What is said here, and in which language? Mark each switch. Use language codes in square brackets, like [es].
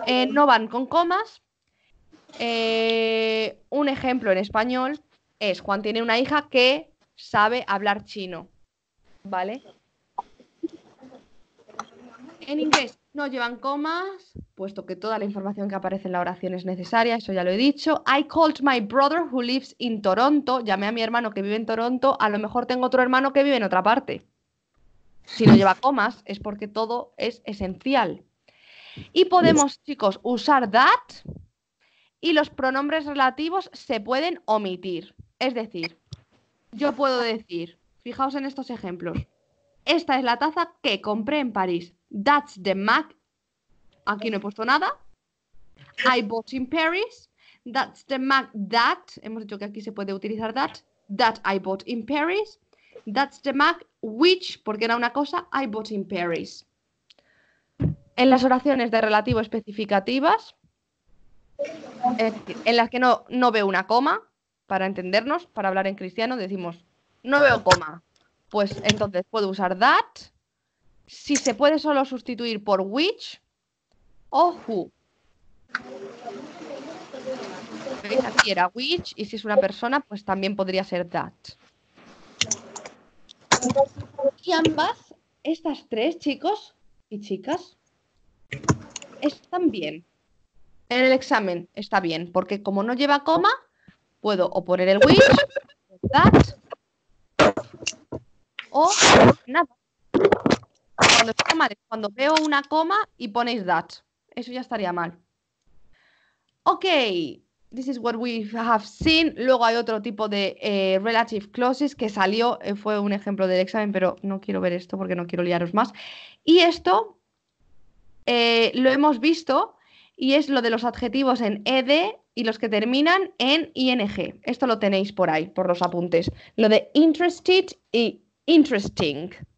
[es] No van con comas. Un ejemplo en español es Juan tiene una hija que sabe hablar chino. ¿Vale? En inglés no llevan comas, puesto que toda la información que aparece en la oración es necesaria, eso ya lo he dicho. [en] I called my brother who lives in Toronto. [es] Llamé a mi hermano que vive en Toronto. A lo mejor tengo otro hermano que vive en otra parte. Si no lleva comas, es porque todo es esencial. Y podemos, chicos, usar that y los pronombres relativos se pueden omitir. Es decir, yo puedo decir, fijaos en estos ejemplos. Esta es la taza que compré en París. [en] That's the mug. [es] Aquí no he puesto nada. [en] I bought in Paris. That's the mug that. [es] Hemos dicho que aquí se puede utilizar that. [en] That I bought in Paris. That's the mug which, [es] porque era una cosa, [en] I bought in Paris. [es] En las oraciones de relativo especificativas, en las que no veo una coma, para entendernos, para hablar en cristiano, decimos, no veo coma. Pues entonces puedo usar that. Si se puede solo sustituir por which o who. ¿Veis? Aquí era which, y si es una persona, pues también podría ser that. Y ambas, estas tres, chicos y chicas, están bien. En el examen está bien, porque como no lleva coma, puedo o poner el which, that, o nada. Cuando está mal, cuando veo una coma y ponéis that, eso ya estaría mal. [en] Ok, this is what we have seen. [es] Luego hay otro tipo de relative clauses que salió, fue un ejemplo del examen, pero no quiero ver esto porque no quiero liaros más. Y esto lo hemos visto, y es lo de los adjetivos en ed y los que terminan en ing. Esto lo tenéis por ahí, por los apuntes. Lo de interested y interesting.